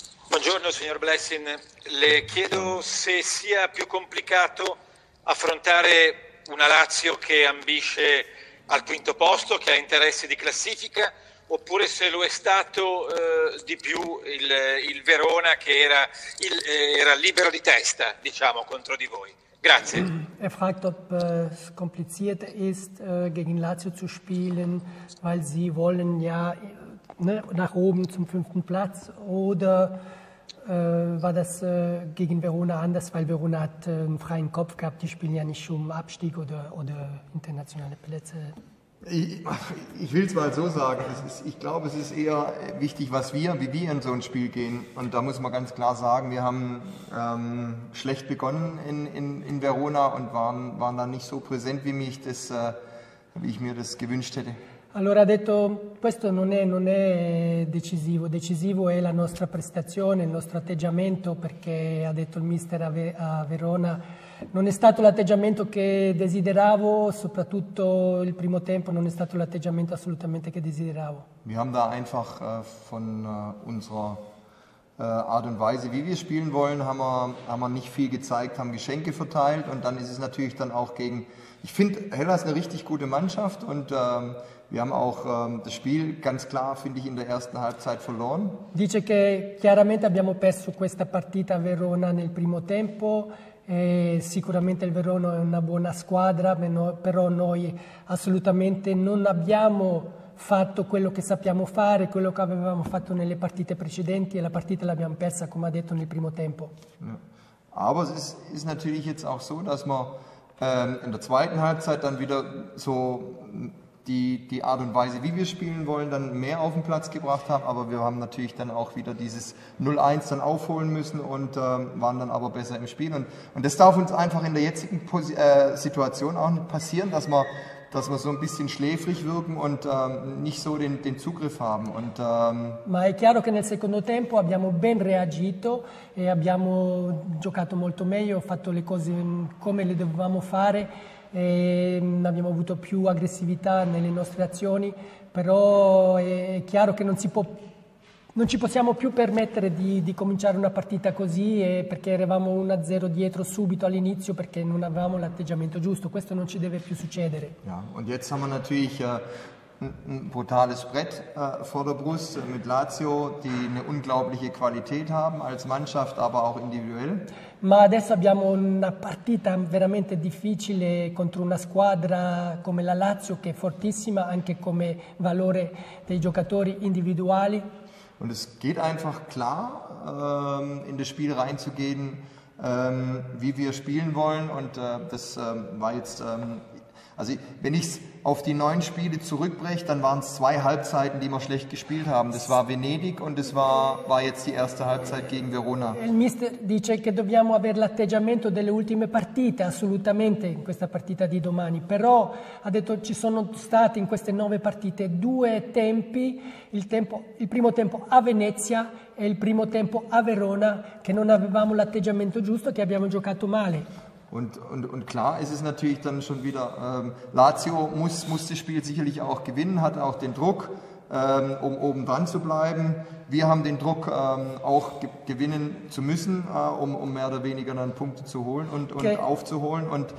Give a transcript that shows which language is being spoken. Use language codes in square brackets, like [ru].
[it] Buongiorno signor Blessing, le chiedo se sia più complicato affrontare una Lazio che ambisce al quinto posto, che ha interessi di classifica, oppure se lo è stato di più il Verona che era libero di testa, diciamo, contro di voi. Grazie. [de] Er fragt, ob es kompliziert ist, gegen Lazio zu spielen, weil sie wollen ja nach oben zum fünften Platz, oder war das gegen Verona anders, weil Verona hat einen freien Kopf gehabt, die spielen ja nicht um Abstieg oder internationale Plätze. Ich will es mal so sagen, ich glaube, es ist eher wichtig, wie wir in so ein Spiel gehen. Und da muss man ganz klar sagen, wir haben schlecht begonnen in Verona und waren dann nicht so präsent, wie ich mir das gewünscht hätte. [it] Allora ha detto, questo non è decisivo, decisivo è la nostra prestazione, il nostro atteggiamento, perché ha detto il mister a Verona, non è stato l'atteggiamento che desideravo, soprattutto il primo tempo non è stato l'atteggiamento assolutamente che desideravo. [de] Wir haben da einfach von unserer Art und Weise, wie wir spielen wollen, haben wir nicht viel gezeigt, haben Geschenke verteilt und dann ist es natürlich dann auch gegen, ich finde Hellas eine richtig gute Mannschaft und wir haben auch das Spiel ganz klar, finde ich, in der ersten Halbzeit verloren. [it] Dice che chiaramente abbiamo perso questa partita a Verona nel primo tempo. Sicuramente il Verona è una buona squadra, però noi assolutamente non abbiamo fatto quello che sappiamo fare, quello che avevamo fatto nelle partite precedenti, e la partita l'abbiamo persa, come ha detto, nel primo tempo. [de] Aber es ist natürlich jetzt auch so, dass man in der zweiten Halbzeit dann wieder so die Art und Weise, wie wir spielen wollen, dann mehr auf den Platz gebracht haben, aber wir haben natürlich dann auch wieder dieses 0-1 dann aufholen müssen und waren dann aber besser im Spiel. Und das darf uns einfach in der jetzigen Situation auch nicht passieren, dass wir so ein bisschen schläfrig wirken und nicht so den Zugriff haben. Und, [it] Ma è chiaro che nel secondo tempo abbiamo ben reagito e abbiamo giocato molto meglio, fatto le cose come le dovevamo fare. E abbiamo avuto più aggressività nelle nostre azioni, però è chiaro che non ci possiamo più permettere di cominciare una partita così, perché eravamo 1-0 dietro subito all'inizio, perché non avevamo l'atteggiamento giusto. Questo non ci deve più succedere. [de] Ja, und jetzt haben wir natürlich ein brutales Brett vor der Brust mit Lazio, die eine unglaubliche Qualität haben als Mannschaft, aber auch individuell. [it] Ma adesso abbiamo una partita veramente difficile contro una squadra come la Lazio, che è fortissima anche come valore dei giocatori individuali. [de] Und es geht einfach klar in das Spiel reinzugehen, wie wir spielen wollen, und das war jetzt also wenn ich es auf die 9 Spiele zurückbreche, dann waren es 2 Halbzeiten, die wir schlecht gespielt haben. Das war Venedig und das war jetzt die erste Halbzeit gegen Verona. [it] Il mister dice che dobbiamo avere l'atteggiamento delle ultime partite, assolutamente, in questa partita di domani. Però ha detto ci sono stati in queste 9 partite 2 tempi, il primo tempo a Venezia e il primo tempo a Verona, che non avevamo l'atteggiamento giusto, che abbiamo giocato male. [de] Und klar ist es natürlich dann schon wieder, Lazio muss das Spiel sicherlich auch gewinnen, hat auch den Druck, um oben dran zu bleiben. Wir haben den Druck, auch gewinnen zu müssen, um mehr oder weniger dann Punkte zu holen und okay, aufzuholen.